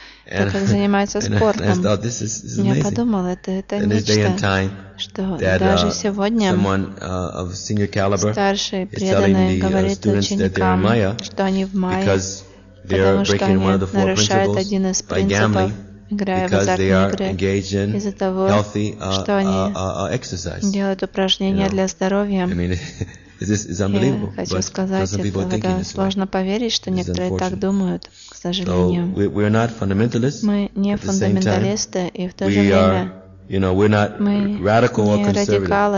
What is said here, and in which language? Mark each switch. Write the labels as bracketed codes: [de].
[en] And I thought, this is amazing. In this day and time, that someone of senior caliber is telling the students that they're in Maya because they're breaking one of the four principles by gambling. Because they are engaged in healthy exercise. [ru] Делают упражнения для здоровья. [en] I mean, this is unbelievable. But some people are thinking this way. [ru] Сложно поверить, что некоторые так думают, к сожалению. [en] So we're not fundamentalists. [ru] Мы не фундаменталисты, и в то же время. [en] We are, you know, we're not radical or conservative.